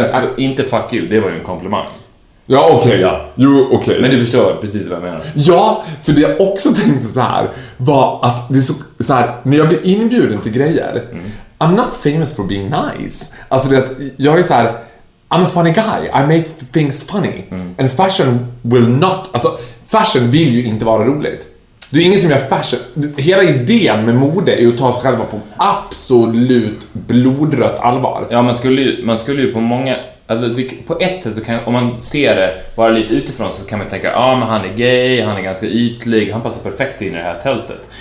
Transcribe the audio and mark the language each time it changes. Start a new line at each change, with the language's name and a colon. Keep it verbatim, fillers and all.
Swedish: Är... Inte fuck you, det var ju en komplimang. Ja, okej. Okay. Ja. Jo, okej. Okay. Men du förstår precis vad jag menar. Ja, för det jag också tänkte så här var att det är så, så här, när jag blir inbjuden till grejer mm.
English: I'm not famous for being nice.
Swedish: Alltså det att jag är så här...
English: I'm a funny guy, I make things funny mm. And fashion will not.
Swedish: Alltså, fashion vill ju inte vara roligt. Det är ingen som gör fashion. Hela idén med mode är att ta sig själva på absolut blodrött allvar. Ja, man skulle ju, man skulle ju på många alltså, det, på ett sätt så kan, om man ser det bara lite utifrån så kan man tänka ja, ah, men han är gay, han är ganska ytlig, han passar perfekt in i det här tältet.